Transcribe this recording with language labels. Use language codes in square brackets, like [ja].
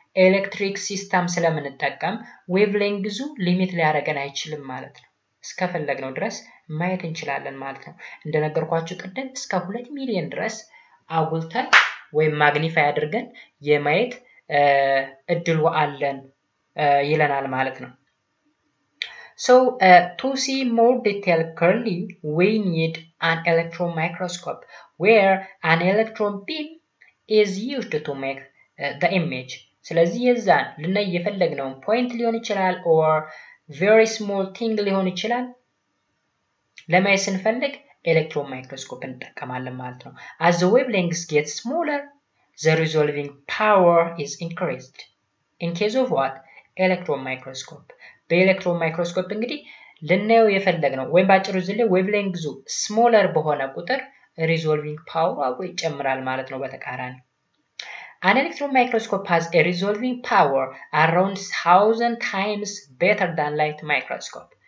[am] electric system ስለምንጠቀም wavelength-ዙ limit ሊያረጋን አይችልም ማለት ነው። እስከፈለግነው ድረስ ማየት እንችላለን ማለት ነው። እንደነገርኳችሁ ቅድም እስከ 2 ሚሊዮን ድረስ አጉልተን ወይም ማግኒፋይ አድርገን የማየት እድል አለን ይለናል ማለት ነው። [en] So to see more detail clearly, we need an electron microscope where an electron beam is used to make the image. [am] ስለዚህ የዛን ልናይ የፈለግነው ፖይንት ሊሆን ይችላል [en] or very small thing [am] ሊሆን ይችላል ለማየት ስንፈልግ electron microscope እንጠቀማለን ማለት ነው። [en] As the wavelengths get smaller, the resolving power is increased. In case of what? Electron microscope. [am] በኤሌክትሮን ማይክሮስኮፕ እንግዲህ ልናየው የፈለግነው ወይም ባጭሩ ዝለ ዌቭሌንግዙ smaller በሆነ ቁጥር resolving power አቆ ይጨምራል ማለት ነው በተቃራኒ። [en] An electron microscope has a resolving power around 1000 times better than light microscope.